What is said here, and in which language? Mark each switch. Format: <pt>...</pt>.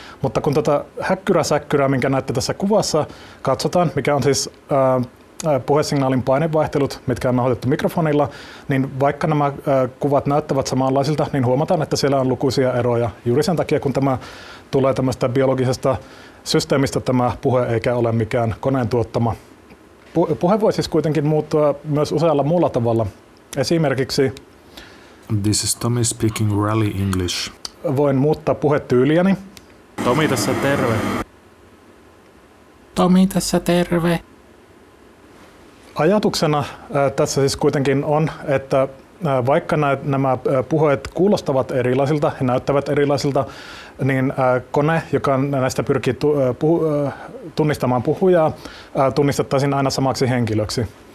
<fi>Mutta kun tätä häkkyräsäkkyrää, minkä näette tässä kuvassa, katsotaan, mikä on siis puhesignaalin painevaihtelut, mitkä on nauhoitettu mikrofonilla, niin vaikka nämä kuvat näyttävät samanlaisilta, niin huomataan, että siellä on lukuisia eroja. Juuri sen takia, kun tämä tulee tämmöistä biologisesta systeemistä tämä puhe, eikä ole mikään koneen tuottama. Puhe voi siis kuitenkin muuttua myös usealla muulla tavalla. Esimerkiksi</fi> <en>This is Tommy speaking rally English.</en> <fi>Voin muuttaa puhetyyliäni. Tomi tässä terve. Tomi tässä terve. Ajatuksena tässä siis kuitenkin on, että vaikka nämä puheet kuulostavat erilaisilta ja näyttävät erilaisilta, niin kone, joka näistä pyrkii tunnistamaan puhujaa, tunnistettaisiin aina samaksi henkilöksi.</fi>